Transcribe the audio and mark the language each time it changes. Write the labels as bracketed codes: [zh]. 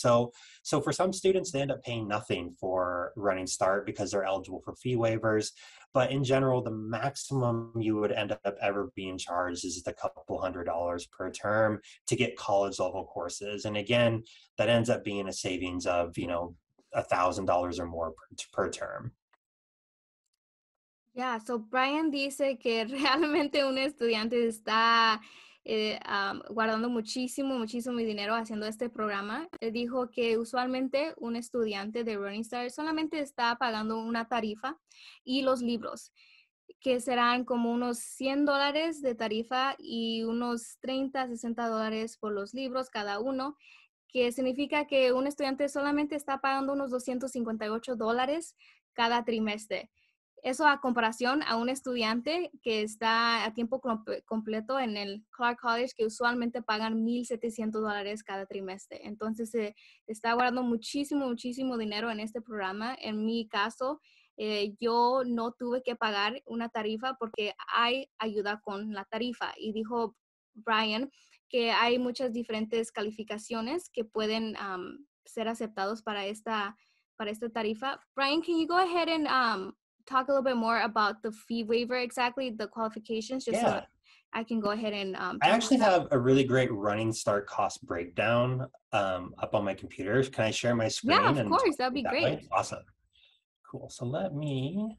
[en] So for some students, they end up paying nothing for Running Start because they're eligible for fee waivers. But in general, the maximum you would end up ever being charged is a couple hundred dollars per term to get college level courses. And again, that ends up being a savings of, you know, $1,000 or more per term. [es] Yeah, so Brian dice que realmente un estudiante está guardando muchísimo, muchísimo dinero haciendo este programa. Él dijo que usualmente un estudiante de Running Start solamente está pagando una tarifa y los libros, que serán como unos $100 de tarifa y unos $30, $60 por los libros cada uno, que significa que un estudiante solamente está pagando unos $258 cada trimestre. Eso a comparación a un estudiante que está a tiempo completo en el Clark College, que usualmente pagan $1,700 cada trimestre. Entonces, se está guardando muchísimo, muchísimo dinero en este programa. En mi caso, yo no tuve que pagar una tarifa porque hay ayuda con la tarifa. Y dijo Brian que hay muchas diferentes calificaciones que pueden ser aceptados para esta tarifa. [en] Brian, can you go ahead and talk a little bit more about the fee waiver exactly, the qualifications, just yeah. So I can go ahead and I actually have a really great Running Start cost breakdown up on my computer. Can I share my screen? Yeah, of course, that'd be great. Way? Awesome. Cool, so let me...